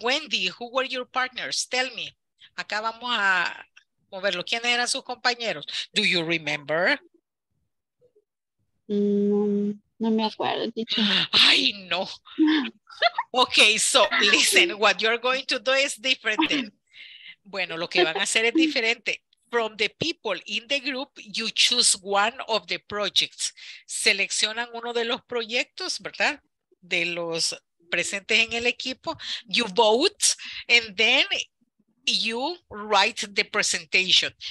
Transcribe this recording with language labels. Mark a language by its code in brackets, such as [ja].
[en] Wendy, who were your partners? Tell me. [es] Acá vamos a moverlo. ¿Quiénes eran sus compañeros? [en] Do you remember? [es] No me acuerdo, teacher. Ay, no. [en] Okay, so listen, what you're going to do is different then. [es] Bueno, lo que van a hacer es diferente. [en] From the people in the group, you choose one of the projects. [es] Seleccionan uno de los proyectos, ¿verdad? De los presentes en el equipo. [en] You vote, and then you write the presentation.